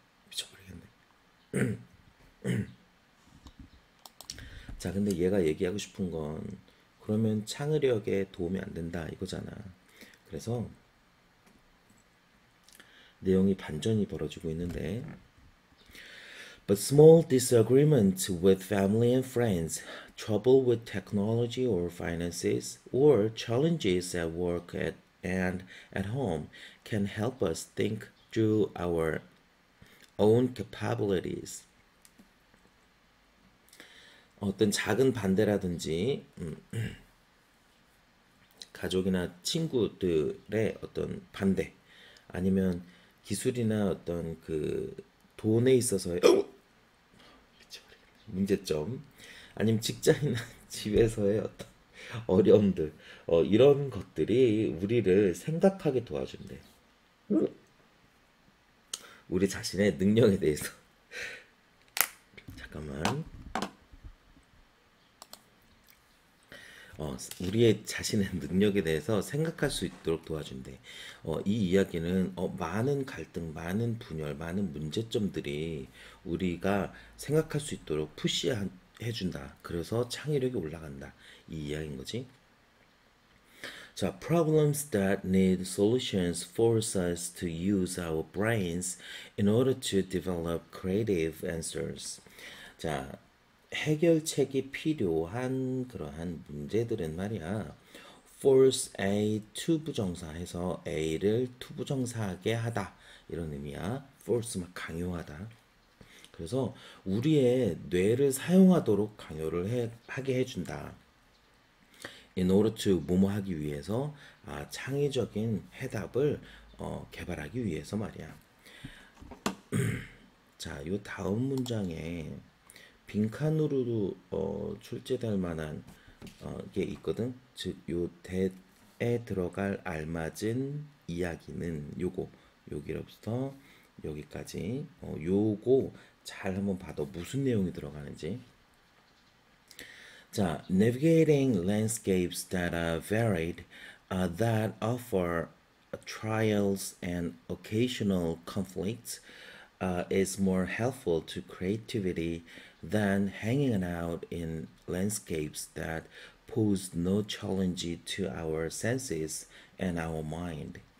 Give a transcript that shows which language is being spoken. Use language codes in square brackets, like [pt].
[ko] 미쳐버리겠네. 자, 근데 얘가 얘기하고 싶은 건 그러면 창의력에 도움이 안 된다 이거잖아. 그래서 내용이 반전이 벌어지고 있는데. [en] But small disagreements with family and friends, trouble with technology or finances, or challenges at work and at home can help us think through our own capabilities. [ko] 어떤 작은 반대라든지 가족이나 친구들의 어떤 반대 아니면 기술이나 어떤 그 돈에 있어서의 문제점 아니면 직장이나 집에서의 어떤 어려움들 이런 것들이 우리를 생각하게 도와준대. 우리 자신의 능력에 대해서. 잠깐만. 우리의 자신의 능력에 대해서 생각할 수 있도록 도와준대. 이 이야기는 많은 갈등, 많은 분열, 많은 문제점들이 우리가 생각할 수 있도록 푸시해준다. 그래서 창의력이 올라간다. 이 이야기인 거지. [en] 자, problems that need solutions force us to use our brains in order to develop creative answers. [ko] 자, 해결책이 필요한 그러한 문제들은 말이야, [en] force a to [ko] 부정사해서 a를 to 부정사하게 하다 이런 의미야. force 막 강요하다. 그래서 우리의 뇌를 사용하도록 강요를 하게 해준다. [en] In order to [ko] 뭐뭐 하기 위해서, 창의적인 해답을 개발하기 위해서 말이야. 자, 요 다음 문장에 빈칸으로도 출제될 만한 게 있거든. 즉, 요 대에 들어갈 알맞은 이야기는 요거, 여기로부터 여기까지. 요거 잘 한번 봐도 무슨 내용이 들어가는지. [en] 자, navigating landscapes that are varied, that offer trials and occasional conflicts, is more helpful to creativity than hanging out in landscapes that pose no challenge to our senses and our mind.